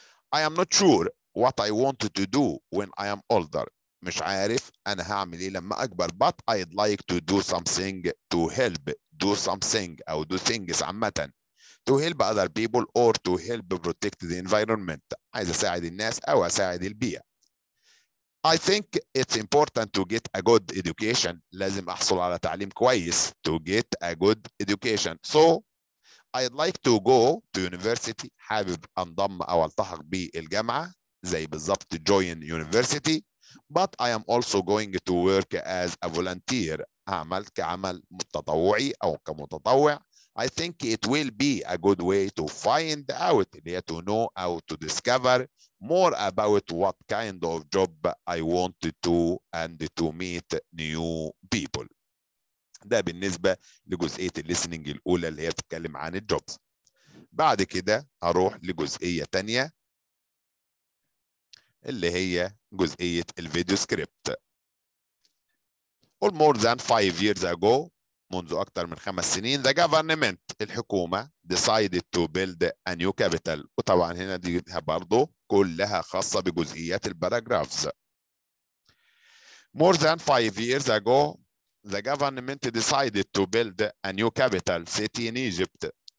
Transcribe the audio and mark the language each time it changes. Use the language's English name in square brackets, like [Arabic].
[English] I am not sure what I want to do when I am older. [Arabic] مش عارف أنا هعمل إيه لما أكبر. [English] But I'd like to do something to help. Do something أو do things عامة. To help other people or to help protect the environment. [Arabic] عايز أساعد الناس أو أساعد البيئة. [English] I think it's important to get a good education. [Arabic] لازم أحصل على تعليم كويس. [English] To get a good education. So I'd like to go to university. [Arabic] حابب أنضم أو ألتحق بالجامعة. زي بالضبط [English] join university. But I am also going to work as a volunteer. [Arabic] أعمل كعمل متطوعي أو كمتطوع. [English] I think it will be a good way to find out، [Arabic] اللي هي [English] to know أو to discover more about what kind of job I wanted to and to meet new people. [Arabic] ده بالنسبة لجزئية الليسننج الأولى اللي هي بتتكلم عن الجوبز. بعد كده أروح لجزئية تانية اللي هي جزئية الفيديو سكريبت. [English] All more than 5 years ago، [Arabic] منذ أكثر من 5 سنين، [English] the government، الحكومة، decided to build a new capital. [Arabic] وطبعا هنا دي برضو كلها خاصة بجزئيات الباراجرافز. [English] More than 5 years ago، the government decided to build a new capital city in Egypt.